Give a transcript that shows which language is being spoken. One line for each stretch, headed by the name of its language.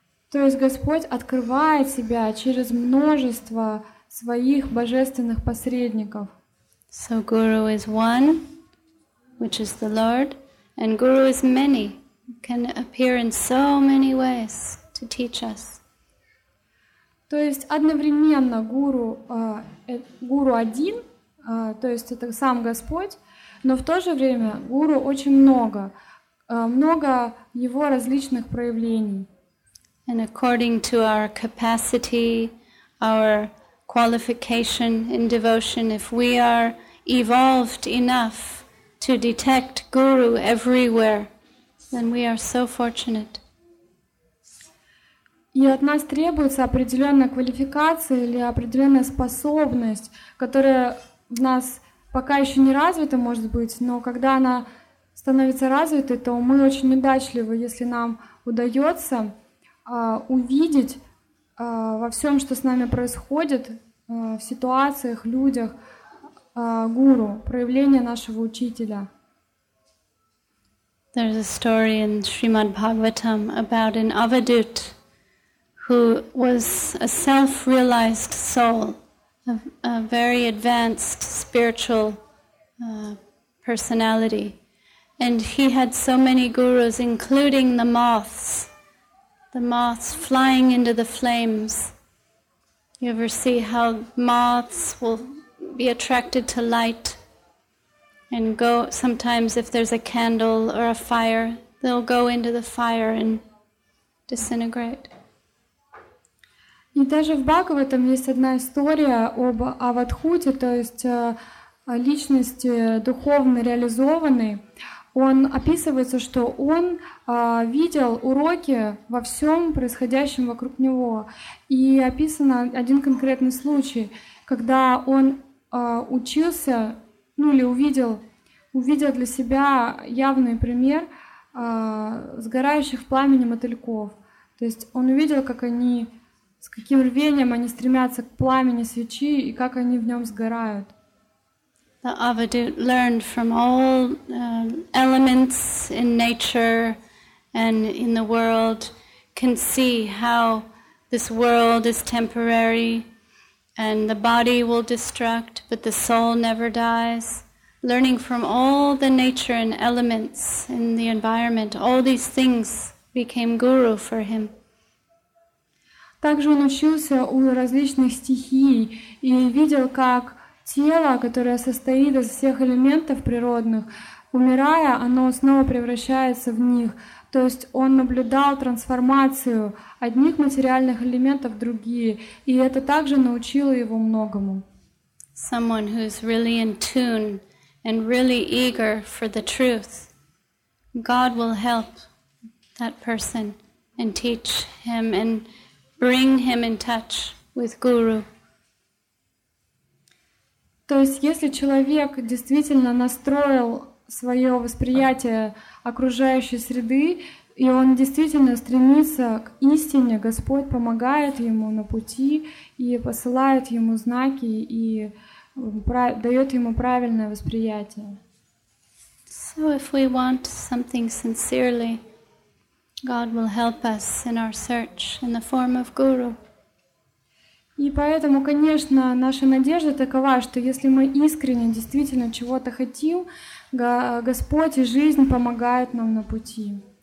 Russian: То есть Господь открывает себя через множество своих божественных посредников.
English: So Guru is one, which is the Lord, and Guru is many, can appear in so many ways to teach us.
Russian: То есть одновременно Гуру, Гуру один, то есть это сам Господь. Но в то же время гуру очень много, много его различных проявлений.
English: And according to our capacity, our qualification in devotion, if we are evolved enough to detect guru everywhere, then we are so fortunate.
Russian: И от нас требуется определенная квалификация или определенная способность, которая в нас пока еще не развита, может быть, но когда она становится развитой, то мы очень удачливы, если нам удается увидеть во всем, что с нами происходит, в ситуациях, людях, гуру, проявление нашего учителя.
English: There's a story in Srimad Bhagavatam about an avadut who was a self-realized soul. A very advanced spiritual personality. And he had so many gurus, including the moths flying into the flames. You ever see how moths will be attracted to light and go, sometimes if there's a candle or a fire, they'll go into the fire and disintegrate.
Russian: И даже в Бхагаватам есть одна история об Аватхуте, то есть личности духовно реализованной. Он описывается, что он видел уроки во всем происходящем вокруг него. И описан один конкретный случай, когда он учился, ну или увидел для себя явный пример сгорающих в пламени мотыльков. То есть он увидел, как они, с каким рвением они стремятся к пламени свечи и как они в нем сгорают.
English: The Avadhut learned from all elements in nature and in the world, can see how this world is temporary and the body will destruct, but the soul never dies. Learning from all the nature and elements in the environment, all these things became guru for him.
Russian: Также он учился у различных стихий и видел, как тело, которое состоит из всех элементов природных, умирая, оно снова превращается в них. То есть он наблюдал трансформацию одних материальных элементов в другие, и это также научило его многому.
English: Someone who's really in tune and really eager for the truth, God will help that person and teach him and bring him in touch with Guru.
Russian: То есть, если человек действительно настроил свое восприятие окружающей среды, и он действительно стремится к истине, Господь помогает ему на пути и посылает ему знаки и дает ему правильное восприятие.
English: So if we want something sincerely, God will help us in our search in the form of Guru.
Russian: И поэтому, конечно, наша надежда такова, что если мы искренне действительно чего-то хотим, Господь и жизнь помогают нам на пути.